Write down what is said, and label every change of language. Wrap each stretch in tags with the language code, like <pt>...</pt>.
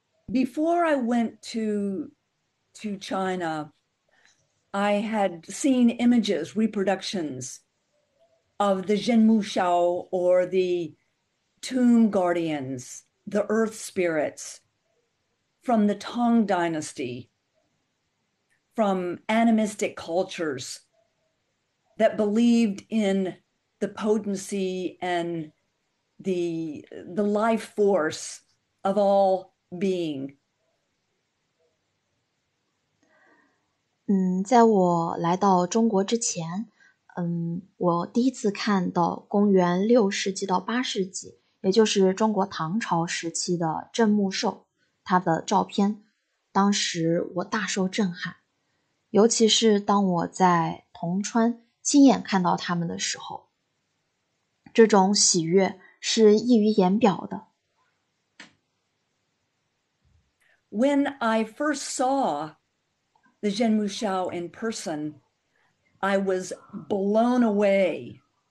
<en>Before I went to China, I had seen images, reproductions of the Zhenmushao or the tomb guardians, the earth spirits from the Tang Dynasty, from animistic cultures that believed in the potency and the life force of all being.</en> <zh>在我来到中国之前，我第一次看到公元6世纪到8世纪，也就是中国唐朝时期的镇墓兽，它的照片，当时我大受震撼，尤其是当我在铜川亲眼看到它们的时候，这种喜悦是溢于言表的。</zh> <en>When I first saw the Zhenmushao in person, I was blown away.</en>